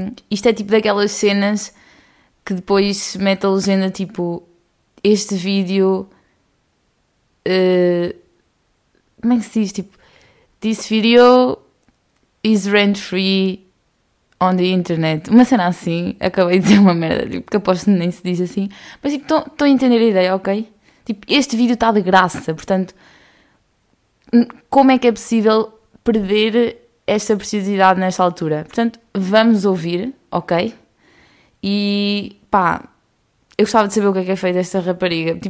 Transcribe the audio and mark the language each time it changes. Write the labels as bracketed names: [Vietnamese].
[Portuguese] Isto é tipo daquelas cenas que depois mete a legenda tipo: este vídeo. Como é que se diz? [English] Tipo, this video is rent-free. On the internet, [Portuguese] uma cena assim, acabei de dizer uma merda, tipo, que aposto nem se diz assim, mas tipo, estou a entender a ideia, ok? Tipo, este vídeo está de graça, portanto, como é que é possível perder esta preciosidade nesta altura? Portanto, vamos ouvir, ok? E pá, eu gostava de saber o que é feito esta rapariga.